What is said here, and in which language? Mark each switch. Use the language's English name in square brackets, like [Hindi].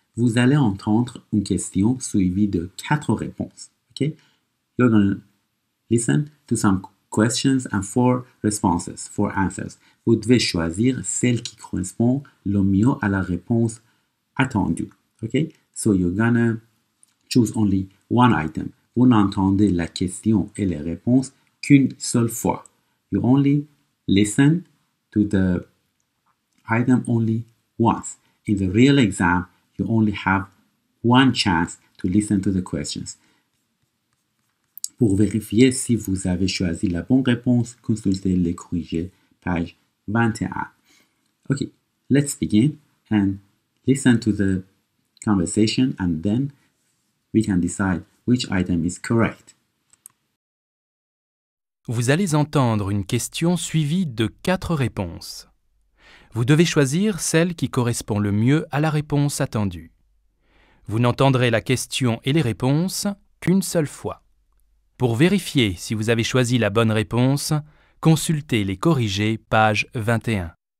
[French] Vous allez entendre une question suivie de quatre réponses, okay? [English] You're gonna listen to some questions and four answers. [French] Vous devez choisir celle qui correspond le mieux à la réponse attendue. Okay? [English] So you're gonna choose only one item. [French] Vous n'entendez la question et les réponses qu'une seule fois. [English] You only listen to the item only once. In the real exam, you only have one chance to listen to the questions. [French] Pour vérifier si vous avez choisi la bonne réponse, consultez les corrigés, page 21. [English] Okay, let's begin and listen to the conversation and then we can decide which item is correct. [French] Vous allez entendre une question suivie de quatre réponses. Vous devez choisir celle qui correspond le mieux à la réponse attendue. Vous n'entendrez la question et les réponses qu'une seule fois. Pour vérifier si vous avez choisi la bonne réponse, consultez les corrigés, page 21.